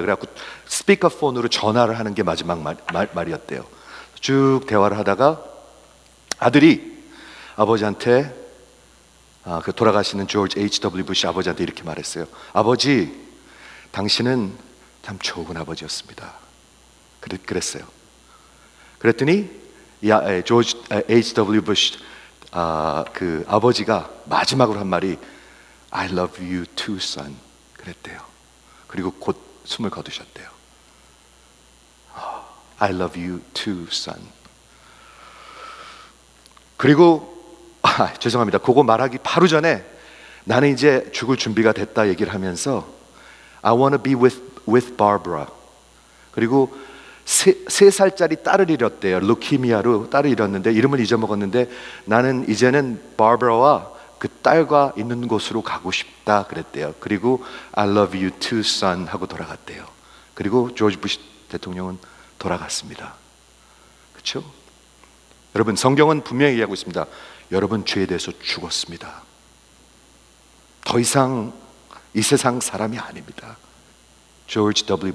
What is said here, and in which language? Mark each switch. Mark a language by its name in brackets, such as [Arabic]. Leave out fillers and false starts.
[Korean] 그래갖고 스피커폰으로 전화를 하는 게 마지막 말이었대요. 쭉 대화를 하다가 아들이 아버지한테, 그 돌아가시는 George H.W. Bush 아버지한테 이렇게 말했어요. 아버지, 당신은 참 좋은 아버지였습니다. 그랬어요. 그랬더니 George H.W. Bush 그 아버지가 마지막으로 한 말이 [English] I love you too, son. [Korean] 그랬대요. 그리고 곧 숨을 거두셨대요. [English] I love you too, son. [Korean] 그리고 죄송합니다. 그거 말하기 바로 전에 나는 이제 죽을 준비가 됐다 얘기를 하면서 [English] I want to be with Barbara. [Korean] 그리고 세 살짜리 딸을 잃었대요. 루키미아로 딸을 잃었는데 이름을 잊어먹었는데 나는 이제는 바버라와 그 딸과 있는 곳으로 가고 싶다 그랬대요. 그리고 [English] I love you too, son [Korean] 하고 돌아갔대요. 그리고 조지 부시 대통령은 돌아갔습니다. 그렇죠? 여러분, 성경은 분명히 얘기하고 있습니다. 여러분 죄에 대해서 죽었습니다. 더 이상 이 세상 사람이 아닙니다. George W.